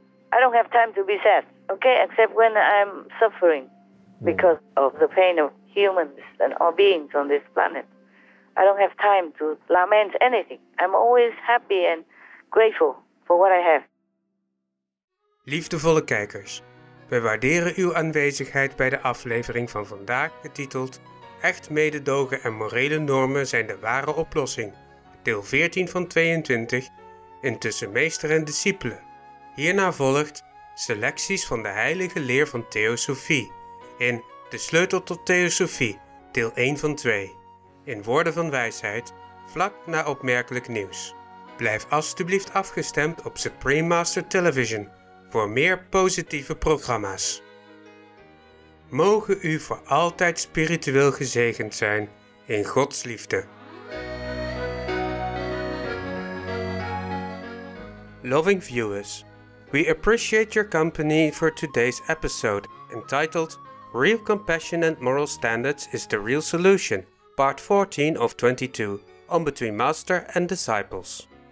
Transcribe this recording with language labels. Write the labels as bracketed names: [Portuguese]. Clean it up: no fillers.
[English] I don't have time to be sad, okay? Except when I'm suffering because of the pain of humans and all beings on this planet. I don't have time to lament anything. I'm always happy and grateful for what I have. [Dutch] Liefdevolle kijkers, we waarderen uw aanwezigheid bij de aflevering van vandaag getiteld Echt mededogen en morele normen zijn de ware oplossing. Deel 14 van 22, Intussen meester en discipelen. Hierna volgt Selecties van de heilige leer van Theosofie in De sleutel tot Theosofie, deel 1 van 2. In woorden van wijsheid, vlak na opmerkelijk nieuws. Blijf alsjeblieft afgestemd op Supreme Master Television voor meer positieve programma's. Mogen u voor altijd spiritueel gezegend zijn in Gods liefde. [English] Loving viewers, we appreciate your company for today's episode entitled Real Compassion and Moral Standards is the Real Solution, Part 14 of 22, on Between Master and Disciples.